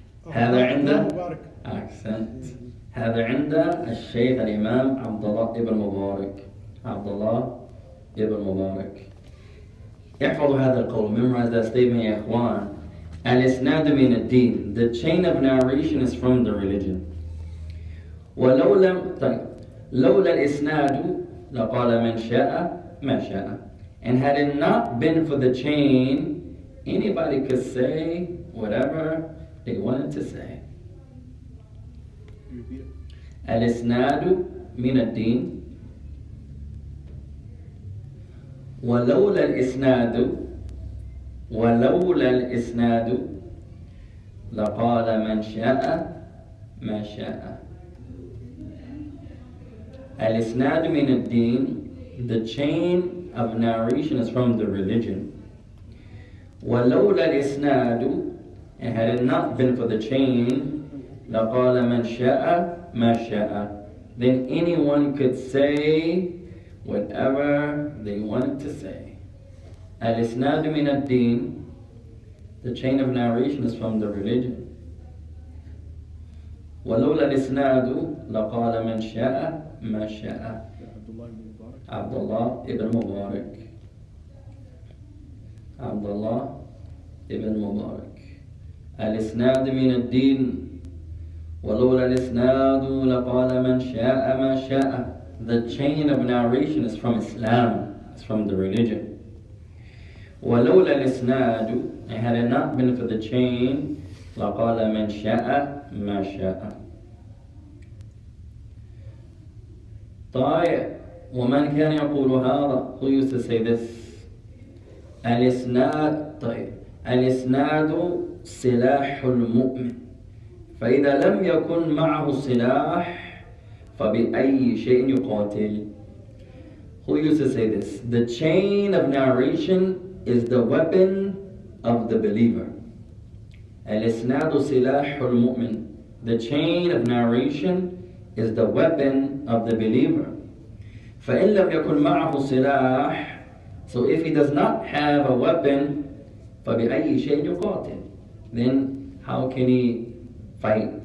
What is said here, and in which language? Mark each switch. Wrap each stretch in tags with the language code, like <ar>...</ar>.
<ar>هذا عند accent. هذا عند الشيخ الإمام عبد الله ابن مبارك. عبد الله ابن مبارك. احفظ هذا القول.</ar> <en>Memorize that statement,</en> <ar>يا إخوان. الاسناد من الدين.</ar> <en>The chain of narration is from the religion.</en> <ar>ولولا لولا الاسناد لقال من شاء ما شاء.</ar> <en>And had it not been for the chain, anybody could say whatever they wanted to say.</en> <ar>الاسناد من الدين. ولولا الاسناد ولولا الاسناد لقال من شاء ما شاء. الإسناد من الدين,</ar> <en>the chain of narration is from the religion.</en> <ar>ولولا الإسناد,</ar> <en>it had it not been for the chain,</en> <ar>لقال من شاء ما شاء,</ar> <en>then anyone could say whatever they wanted to say.</en> <ar>الإسناد من الدين,</ar> <en>the chain of narration is from the religion.</en> <ar>ولولا الإسناد لقال من شاء ما شاء. عبد الله ابن مبارك. عبد الله ابن مبارك. الإسناد من الدين. ولولا الإسناد لقال من شاء ما شاء.</ar> <en>The chain of narration is from Islam. It's from the religion.</en> <ar>ولولا الإسناد,</ar> <en>had it not been for the chain,</en> <ar>لقال من شاء ما شاء. طائع, ومن كان يقول هذا,</ar> <en>who used to say this?</en> <ar>الإسناد, طيب, الإسناد سلاح المؤمن, فإذا لم يكن معه سلاح فبأي شيء يقاتل.</ar> <en>Who used to say this? The chain of narration is the weapon of the believer.</en> <ar>الإسناد سلاح المؤمن,</ar> <en>the chain of narration is the weapon of the believer.</en> <ar>فإن لم يكن معه سلاح,</ar> <en>so if he does not have a weapon,</en> <ar>فبأي شيء يقاتل,</ar> <en>then how can he fight?</en>